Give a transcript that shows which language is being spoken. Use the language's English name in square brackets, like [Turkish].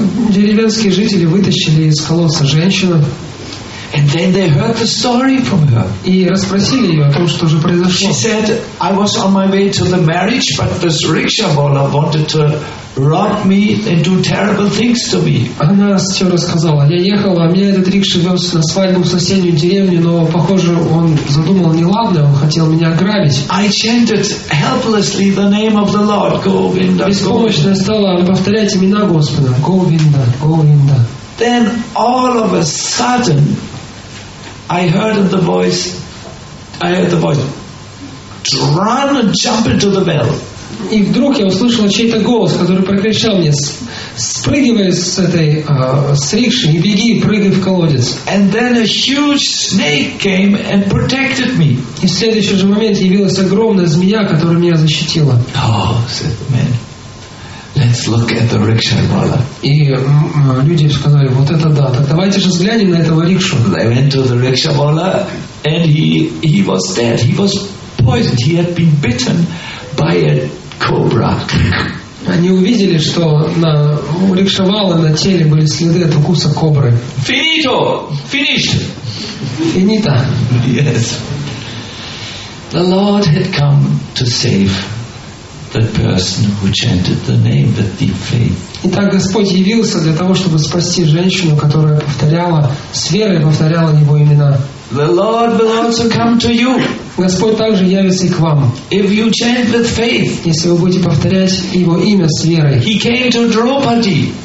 [Russian] Деревенские жители вытащили из колодца женщину. [English] And then they heard the story from her. [Russian] И расспросили ее о том, что же произошло. [English] She said, I was on my way to the marriage, but this rickshawala wanted to rob me and do terrible things to me. [Russian] Она все рассказала. Я ехала, а меня этот рикша вез на свадьбу в соседнюю деревню, но, похоже, он задумал неладное, он хотел меня ограбить. [English] I chanted helplessly the name of the Lord, Govinda. [Russian] Беспомощно я стала повторять имена Господа. [English] Govinda, Govinda. Then all of a sudden I heard the voice. Run and jump into the well. [Russian] И вдруг я услышала чей-то голос, который прокричал мне: «Спрыгивай с этой с рикши и беги, прыгай в колодец». [English] And then a huge snake came and protected me. [Russian] И в следующий же момент явилась огромная змея, которая меня защитила. [English] Oh, said the man. Let's look at the rickshawala. [Russian] И люди сказали: вот это да. Так давайте же взглянем на этого рикшу. [English] They went to the rickshawala, and he was dead. He was poisoned. He had been bitten by a cobra. [Russian] Они увидели, что на рикшавала на теле были следы от укуса кобры. [English] Finito. Finished. [Russian] Finita. [English] Yes. The Lord had come to save that person who chanted the name with deep faith. [Russian] Итак, Господь явился для того, чтобы спасти женщину, которая повторяла с верой, повторяла его имена. [English] The Lord will also come to you. [Russian] Господь также явится и к вам. [English] If you chant with faith, [Russian] если вы будете повторять его имя с верой. [English] He came to Draupadi.